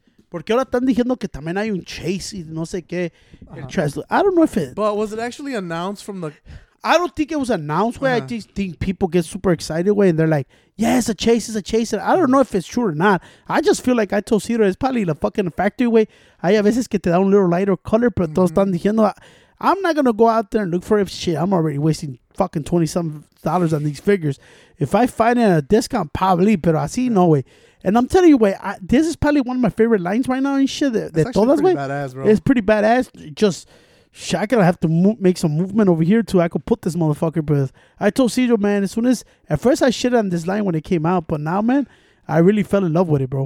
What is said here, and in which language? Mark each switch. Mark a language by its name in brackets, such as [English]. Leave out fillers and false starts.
[Spanish] Porque ahora están diciendo que también hay un chase y no sé qué. [English] Uh-huh. I don't know if it... But was it actually announced from the... I don't think it was announced, güey. Uh-huh. I just think people get super excited, güey, and they're like, yeah, it's a chase, it's a chase. And I don't know if it's true or not. I just feel like I told Ciro, it's probably the fucking factory, güey. [Spanish] Hay a veces que te da un [English] little lighter color, [Spanish] pero todos están diciendo... [English] I'm not going to go out there and look for it. Shit, I'm already wasting fucking $27 on these figures. If I find it at a discount, probably, [Spanish] pero así, [English] yeah. No way. And I'm telling you, wait, this is probably one of my favorite lines right now and shit. It's [Spanish] todas, [English] pretty [Spanish] wey, [English] badass, bro. It's pretty badass. Just, shit, I got to have to make some movement over here too. I could put this motherfucker, but I told Cedro, man, as soon as, at first I shit on this line when it came out, but now, man, I really fell in love with it, bro.